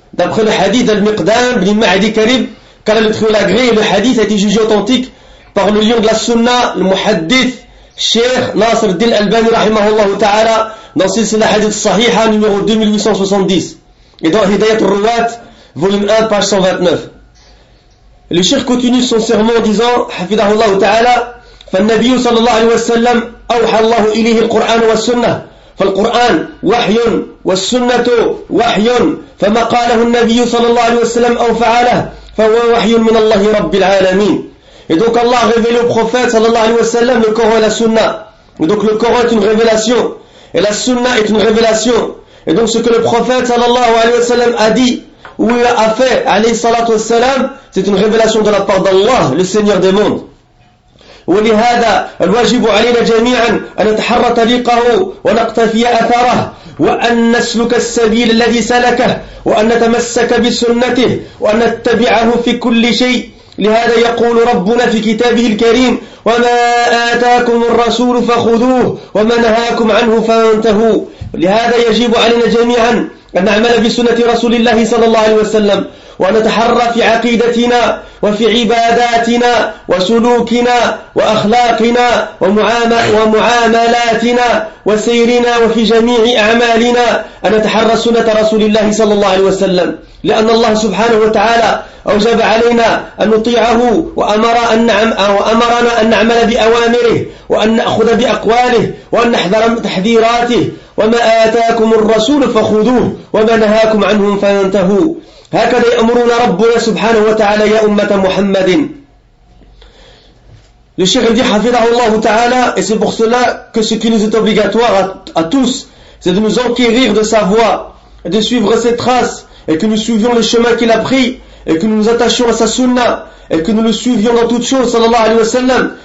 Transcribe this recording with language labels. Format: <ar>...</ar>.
<fr>D'après le hadith d'Al-Miqdam, Ibn Ma'adi Karib, qu'Allah le trouve l'agré, le hadith a été jugé authentique par le lion de la sunna, le muhaddith, Cheikh Nasr Din Albani, rahimahullah ta'ala, dans le Sila Hadith Sahiha, numéro 2870, et dans Hidayat al-Ruwat, volume 1, page 129. Le Cheikh continue son sermon en disant, Hafidahullah ta'ala,</fr> <ar>فَالنَّبِيُّ صَلَى اللَّهُ عَلَيْهِ وَسَلَّمَ أَوْحَى اللَّهُ إِلَيْهِ الْقُرْآنَ وَالسُنَّةَ. فالقرآن وحي والسنة وحي، فما قاله النبي صلى الله عليه وسلم أو فعله فهو وحي من الله رب العالمين.</ar> <fr>Et donc Allah a révélé au prophète صلى الله عليه وسلم le Coran et la Sunna. Et donc le Coran est une révélation et la Sunna est une révélation. Et donc ce que le prophète صلى الله عليه وسلم a dit ou a fait</fr> <ar>عليه الصلاة والسلام,</ar> <fr>c'est une révélation de la part d'Allah, le Seigneur des mondes.</fr> <ar>ولهذا الواجب علينا جميعا أن نتحرى طريقه ونقتفي أثره وأن نسلك السبيل الذي سلكه وأن نتمسك بسنته وأن نتبعه في كل شيء. لهذا يقول ربنا في كتابه الكريم وما آتاكم الرسول فخذوه وما نهاكم عنه فانتهوا. لهذا يجب علينا جميعا أن نعمل بسنة رسول الله صلى الله عليه وسلم ونتحرى في عقيدتنا وفي عباداتنا وسلوكنا وأخلاقنا ومعاملاتنا وسيرنا وفي جميع أعمالنا أن نتحرى سنة رسول الله صلى الله عليه وسلم، لأن الله سبحانه وتعالى أوجب علينا أن نطيعه وأمرنا أن نعمل بأوامره وأن نأخذ بأقواله وأن نحذر تحذيراته. وما آتاكم الرسول فخذوه وما نهاكم عنه فانتهوا. هكذا يأمرنا ربنا سبحانه وتعالى يا أمة محمد.</ar> <fr>Le Cheikh dit,</fr> <ar>حفظه الله تعالى,</ar> <fr>et c'est pour cela que ce qui nous est obligatoire à tous, c'est de nous enquérir de sa voix, et de suivre ses traces, et que nous suivions le chemin qu'il a pris, et que nous nous attachions à sa sunna, et que nous le suivions dans toutes choses, sallallahu alayhi wa sallam.</fr>